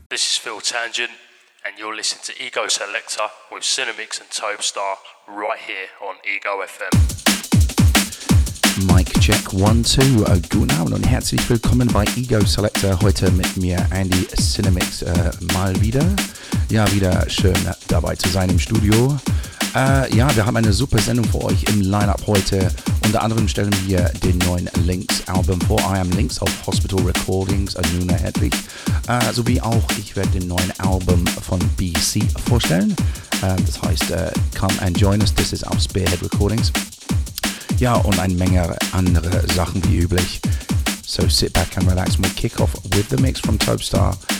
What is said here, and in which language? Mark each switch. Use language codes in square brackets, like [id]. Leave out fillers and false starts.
[en] This is Phil Tangent, and you're listening to Ego Selector with Cinemix and Topestar right here on Ego FM. Mic check 1, 2. [de] Guten Abend und herzlich willkommen bei Ego Selector. Heute mit mir Andy Cinemix mal wieder. Ja, wieder schön dabei zu sein im Studio. Ja, wir haben eine super Sendung für euch im Lineup heute. Unter anderem stellen wir den neuen Lynx-Album vor, I Am Lynx, auf Hospital Recordings, Anuna Hedley. Sowie auch, ich werde den neuen Album von BC vorstellen. Das heißt, Come and Join Us, this is auf Spearhead Recordings. Ja, und eine Menge andere Sachen wie üblich. [en] So sit back and relax, we'll kick off with the mix from Topestar.